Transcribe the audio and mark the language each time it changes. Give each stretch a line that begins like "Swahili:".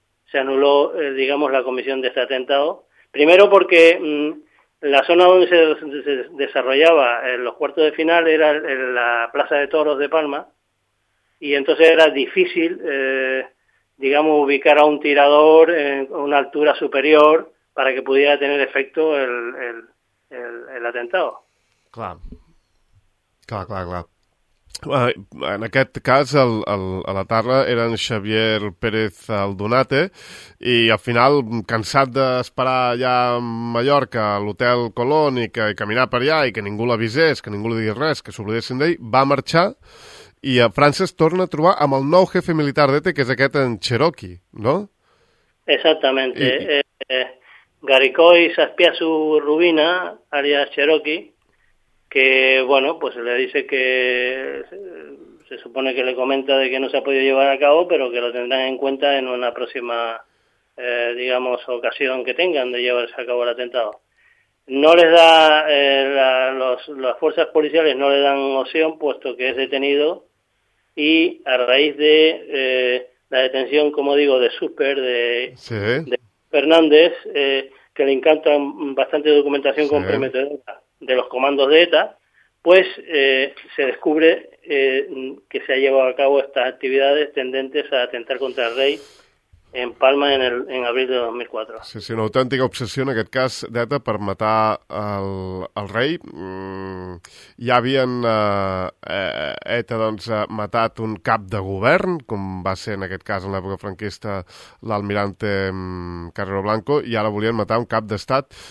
Spanish: se anuló, digamos, la comisión de este atentado. Primero porque la zona donde se desarrollaba los cuartos de final era la Plaza de Toros de Palma, y entonces era difícil, digamos, ubicar a un tirador en una altura superior para que pudiera tener efecto el atentado.
Catalan: Clar. Clar, clar, clar. En aquest cas, a la tarda, eren Xavier Pérez Aldunate, i al final, cansat d'esperar allà a Mallorca, a l'hotel Colón, i caminar per allà, i que ningú l'avisés, que ningú li digués res, que s'oblidessin d'ell, va marxar, i a França es torna a trobar amb el nou jefe militar d'ETA, que és aquest en Cherokee, no?
Spanish: Exactamente. Garicoy s'espia su Rubina, alias Cherokee, que, bueno, pues le dice que se supone que le comenta de que no se ha podido llevar a cabo, pero que lo tendrán en cuenta en una próxima, digamos, ocasión que tengan de llevarse a cabo el atentado. No les da, las fuerzas policiales no le dan opción, puesto que es detenido, y a raíz de la detención, como digo, de Super, de Fernández, que le encanta bastante documentación comprometedora de los comandos de ETA, pues se descubre que se ha llevado a cabo estas actividades tendentes a atentar contra el rey en Palma en abril de 2004.
Catalan: Sí, una autèntica obsessió en aquest cas d'ETA per matar el rei. Ja havien ETA doncs, matat un cap de govern, com va ser en aquest cas en l'època franquista l'almirante Carrero Blanco, i ara volien matar un cap d'estat.